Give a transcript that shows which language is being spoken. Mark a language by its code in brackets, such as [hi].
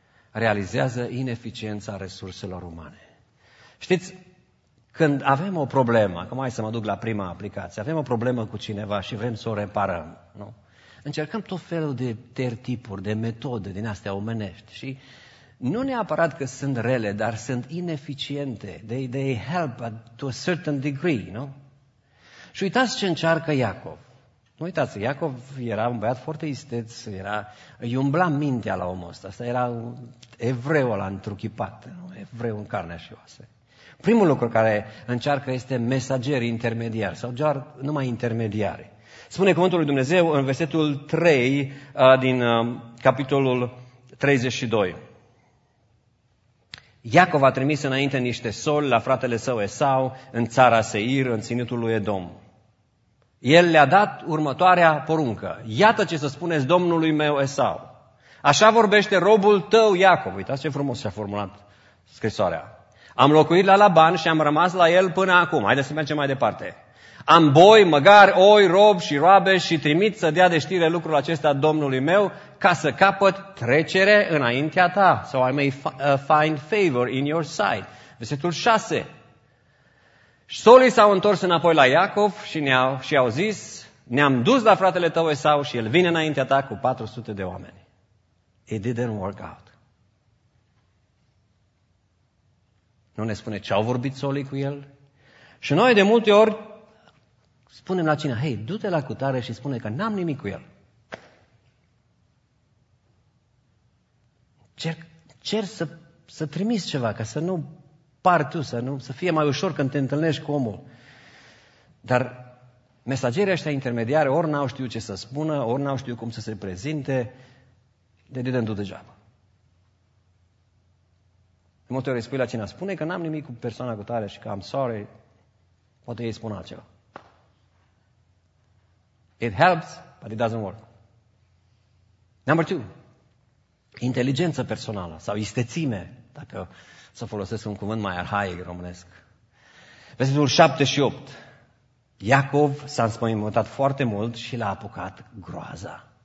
[ro] Realizează ineficiența resurselor umane. Știți, când avem o problemă, acum hai să mă duc la prima aplicație, avem o problemă cu cineva și vrem să o reparăm, nu? Încercăm tot felul de tertipuri, de metode din astea omenești și nu neapărat că sunt rele, dar sunt ineficiente. [en] They help to a certain degree, nu? [ro] Și uitați ce încearcă Iacov. Nu uitați, Iacov era un băiat foarte isteț, îi umbla mintea la omul ăsta. Asta era evreu ăla întruchipat, nu? Evreu în carne și oase. Primul lucru care încearcă este mesageri intermediari sau doar numai intermediari. Spune cuvântul lui Dumnezeu în versetul 3 din capitolul 32. Iacov a trimis înainte niște soli la fratele său Esau în țara Seir, în ținutul lui Edom. El le-a dat următoarea poruncă. Iată ce să spuneți domnului meu Esau. Așa vorbește robul tău Iacob. Uitați ce frumos și-a formulat scrisoarea. Am locuit la Laban și am rămas la el până acum. Haideți să mergem mai departe. Am boi, măgari, oi, rob și roabe și trimit să dea de știre lucrul acesta domnului meu ca să capăt trecere înaintea ta. [en] So I may find favor in your sight. [ro] Versetul 6. Solii s-au întors înapoi la Iacov și i-au zis, ne-am dus la fratele tău Esau și el vine înaintea ta cu 400 de oameni. [en] It didn't work out. [ro] Nu ne spune ce au vorbit solii cu el? Și noi de multe ori spunem la cine, hei, du-te la cutare și spune că n-am nimic cu el. Cer să trimiți ceva, ca să nu pari tu, să fie mai ușor când te întâlnești cu omul. Dar mesagerii ăștia intermediari, ori n-au știut ce să spună, ori n-au știut cum să se prezinte, [en] they didn't do the job. [ro] De multe ori spui la cine spune că n-am nimic cu persoana cu tare și că [en] I'm sorry, [ro] poate ei spun altceva. [en] It helps, but it doesn't work. Number two, [ro] inteligență personală sau istețime, dacă să folosesc un cuvânt mai arhaic românesc. Versetul 7 și 8. Iacov s-a înspăimântat foarte mult și l-a apucat groaza.